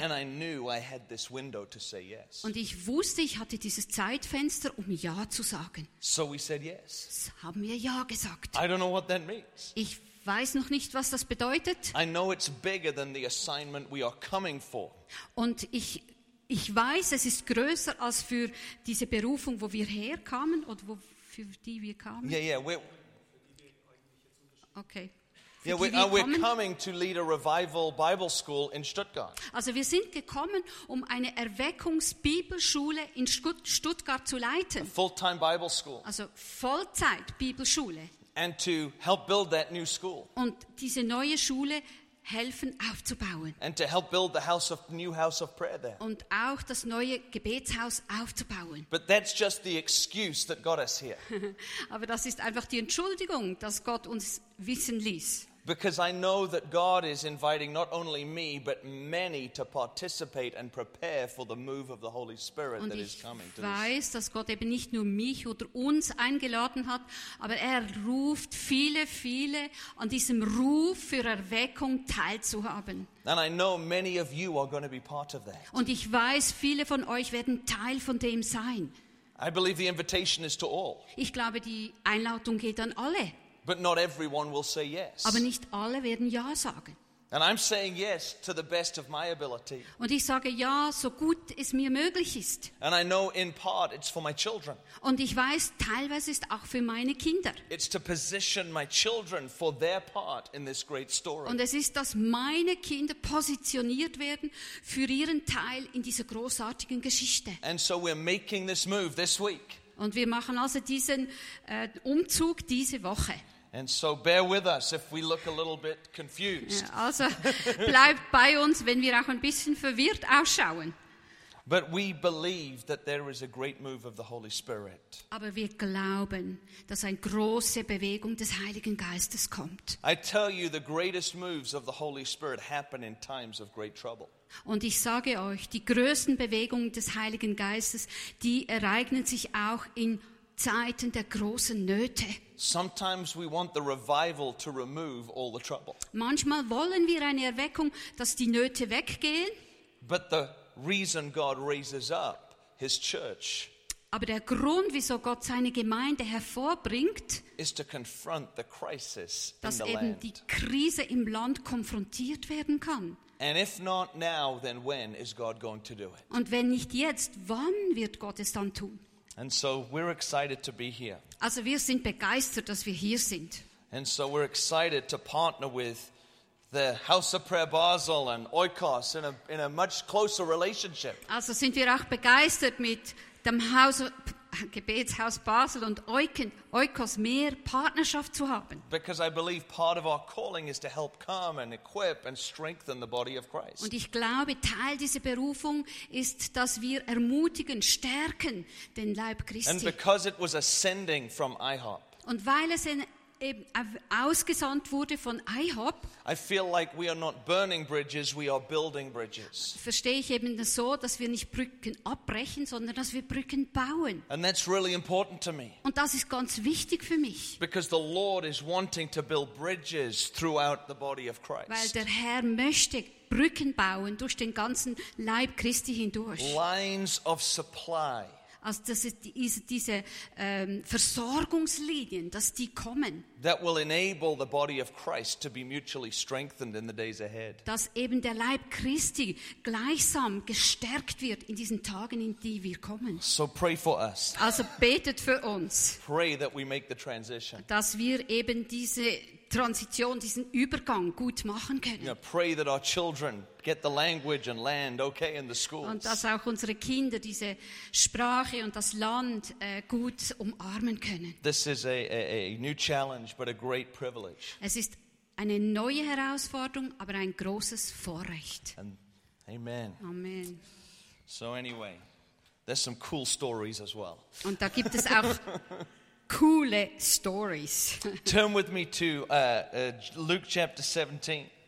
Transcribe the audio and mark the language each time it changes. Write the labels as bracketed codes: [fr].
[en] And I knew I had this window to say yes. [de] Und ich wusste, ich hatte dieses Zeitfenster, um Ja zu sagen. [en] So we said yes. [de] Haben wir Ja gesagt. [en] I don't know what that means. [de] Ich weiß noch nicht, was das bedeutet. [en] I know it's bigger than the assignment we are coming for. [de] Und ich weiß, es ist größer als für diese Berufung, wo wir herkamen oder wo, für die wir kamen. [en] Yeah, yeah, okay. Yeah, we're coming to lead a revival Bible school in Stuttgart. [de] Also wir sind gekommen, um eine Erweckungsbibelschule in Stuttgart zu leiten. [en] A full-time Bible school. [de] Also Vollzeit Bibelschule. [en] And to help build that new school. [de] Und diese neue Schule helfen aufzubauen. [en] And to help build the house of new house of prayer there. [de] Und auch das neue Gebetshaus aufzubauen. [en] But that's just the excuse that got us here. [de] Aber das ist einfach die Entschuldigung, dass Gott uns wissen ließ. [en] Because I know that God is inviting not only me but many to participate and prepare for the move of the Holy Spirit [de] und [en] that is coming to us. [de] Weiß, dass Gott eben nicht nur mich oder uns eingeladen hat, aber er ruft viele, viele an diesem Ruf für Erweckung teilzuhaben. [en] And I know many of you are going to be part of that. [de] Und ich weiß, viele von euch werden Teil von dem sein. [en] I believe the invitation is to all. [de] Ich glaube, die Einladung geht an alle. [en] But not everyone will say yes. [de] Aber nicht alle werden Ja sagen. [en] And I'm saying yes to the best of my ability. [de] Und ich sage Ja, so gut es mir möglich ist. [en] And I know in part it's for my children. [de] Und ich weiß, teilweise ist auch für meine Kinder. [en] It's to position my children for their part in this great story. [de] Und es ist, dass meine Kinder positioniert werden für ihren Teil in dieser großartigen Geschichte. [en] And so we're making this move this week. [de] Und wir machen also diesen Umzug diese Woche. [en] And so bear with us if we look a little bit confused. [de] Ja, also bleibt bei uns, wenn wir auch ein bisschen verwirrt ausschauen. [en] But we believe that there is a great move of the Holy Spirit. [de] Aber wir glauben, dass eine große Bewegung des Heiligen Geistes kommt. [en] I tell you, the greatest moves of the Holy Spirit happen in times of great trouble. [de] Und ich sage euch, die größten Bewegungen des Heiligen Geistes, die ereignen sich auch in Zeiten der großen Nöte. [en] Sometimes we want the revival to remove all the trouble. [de] Manchmal wollen wir eine Erweckung, dass die Nöte weggehen. [en] But the reason God raises up his church. [de] Aber der Grund, wieso Gott seine Gemeinde hervorbringt, [en] is to confront the crisis in [de] dass [en] the [de] eben [en] land. [de] Die Krise im Land konfrontiert werden kann. [en] And if not now, then when is God going to do it? [de] Und wenn nicht jetzt, wann wird Gott es dann tun? [en] And so we're excited to be here. [de] Also wir sind begeistert, dass wir hier sind. [en] And so we're excited to partner with the House of Prayer Basel and Oikos in a much closer relationship. [de] Also sind wir auch begeistert mit dem Haus Gebetshaus Basel und Oikos mehr Partnerschaft zu haben. [en] Because I believe part of our calling is to help calm and equip and strengthen the body of Christ. [de] Und ich glaube, Teil dieser Berufung ist, dass wir ermutigen, stärken den Leib Christi. [en] And because it was ascending from IHOP. [de] Und weil es eben ausgesandt wurde von IHOP. [en] I feel like we are not burning bridges, we are building bridges. [de] Verstehe ich eben so, dass wir nicht Brücken abbrechen, sondern dass wir Brücken bauen. [en] And that's really important to me. [de] Und das ist ganz wichtig für mich. [en] Because the Lord is wanting to build bridges throughout the body of Christ. [de] Weil der Herr möchte Brücken bauen durch den ganzen Leib Christi hindurch. [en] Lines of supply. [de] Also das ist diese Versorgungslinien, dass die kommen. [en] That will enable the body of Christ to be mutually strengthened in the days ahead. [de] Dass eben der Leib Christi gleichsam gestärkt wird in diesen Tagen, in die wir kommen. [en] So pray for us. [de] Also betet für uns. [en] Pray that we make the transition. [de] Dass wir eben diese Transition, diesen Übergang gut machen können. [en] You know, pray that our children get the language and land okay in the schools. [de] Und dass auch unsere Kinder diese Sprache und das Land gut umarmen können. [en] This is a new challenge, but a great privilege. [de] Es ist eine neue Herausforderung, aber ein großes Vorrecht. [en] And amen. [de] Amen. [en] So anyway, there's some cool stories as well. [de] Und da gibt es auch coole stories. [en] Turn with me to Luke chapter 17.